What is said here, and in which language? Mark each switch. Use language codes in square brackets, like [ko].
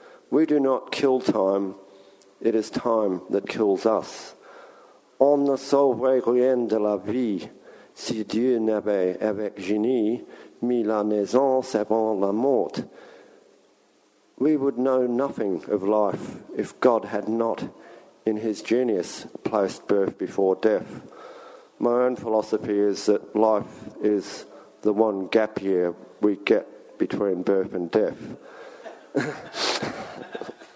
[en] We do not kill time, it is time that kills us. [fr] On ne sauverait rien de la vie, si Dieu n'avait avec génie mis la naissance avant la mort. [en] We would know nothing of life if God had not, in his genius, placed birth before death. My own philosophy is that life is the one gap year we get between birth and death.